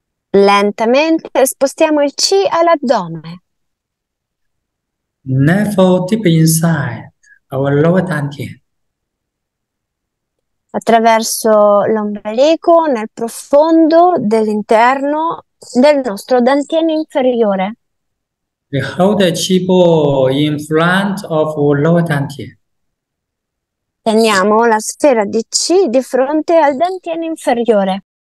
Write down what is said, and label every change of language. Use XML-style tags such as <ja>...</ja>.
<it>Lentamente spostiamo il chi all'addome.</it> <en>Navel deep inside our lower dantian.</en> <it>Attraverso l'ombelico nel profondo dell'interno del nostro dantiano inferiore.</it> <en>We hold the chi in front of lower dantian.</en> <it>Teniamo la sfera di chi di fronte al dantiano inferiore.</it>